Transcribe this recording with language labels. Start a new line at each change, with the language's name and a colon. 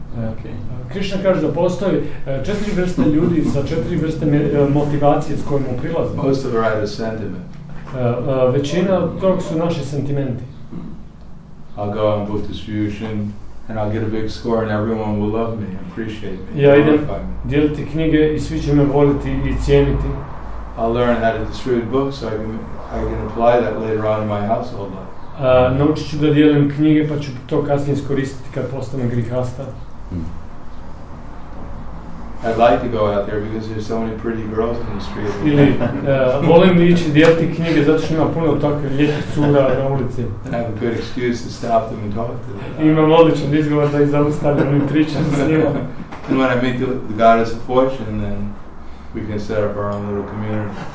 Croatian: Okay. Krishna kaže da postoji četiri vrste ljudi sa četiri vrste motivacije s kojima prilaze.
English: Most of the sentiment.
Croatian: Većina tog su naši sentimenti.
English: I'll go on book distribution, and I'll get a big score and everyone will love me and appreciate me.
Croatian: Ja idem dijeliti knjige i svi će me voliti i cijeniti.
English: I'll learn how to distribute books so I can apply that later on in my household life.
Croatian: Naučit ću da dijelim knjige pa ću to kasnije iskoristiti kad postanem grihasta.
English: I'd like to go out there because there's so many pretty girls in the street.
Croatian: Ili, volim ići dijeliti knjige zato što ima puno takve lijepih cura na ulici.
English: I have a good excuse to stop them and talk to them.
Croatian: Imam odličan izgovor da ih zaustavim i pričam s njima.
English: And when I meet the goddess of fortune, then we can set up our own little community.